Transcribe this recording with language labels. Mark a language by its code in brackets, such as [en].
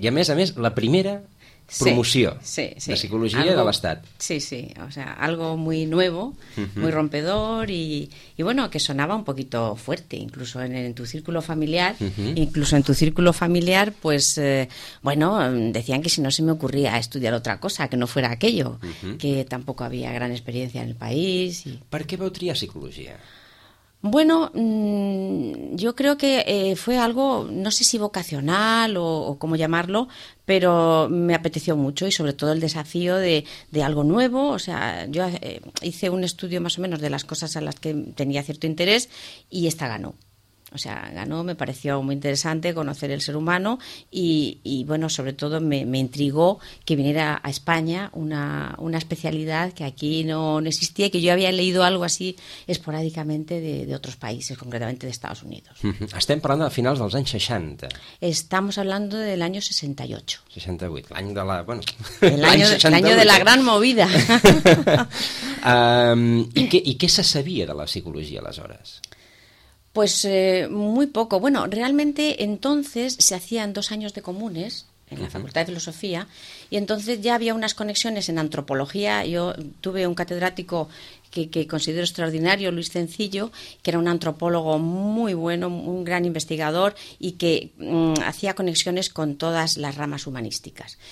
[ca] I a més, la primera promoció sí. de psicologia algo, de l'Estat. Sí, sí. [es] O sea, algo muy nuevo, muy rompedor y bueno, que sonaba un poquito fuerte, incluso en tu círculo familiar, incluso en tu círculo familiar, pues, bueno, decían que si no se me ocurría estudiar otra cosa, que no fuera aquello, que tampoco había gran experiencia en el país. Y... [ca] ¿Per qué vau triar psicologia? [es] Bueno, yo creo que fue algo, no sé si vocacional o cómo llamarlo, pero me apeteció mucho y sobre todo el desafío de algo nuevo. O sea, yo hice un estudio más o menos de las cosas a las que tenía cierto interés y esta ganó. O sea, ganó, me pareció muy interesante conocer el ser humano y bueno, sobre todo me intrigó que viniera a España una especialidad que aquí no existía y que yo había leído algo así esporádicamente de otros países, concretamente de Estados Unidos. [ca] Estem parlant de finals dels anys 60. [es] Estamos hablando del año 68. [ca] 68, l'any de la... Bueno, l'any de la gran movida. I què se sabia de la psicologia aleshores? [es] Pues muy poco. Bueno, realmente entonces se hacían 2 años de comunes en la Facultad de Filosofía y entonces ya había unas conexiones en antropología. Yo tuve un catedrático que considero extraordinario, Luis Cencillo, que era un antropólogo muy bueno, un gran investigador y que hacía conexiones con todas las ramas humanísticas.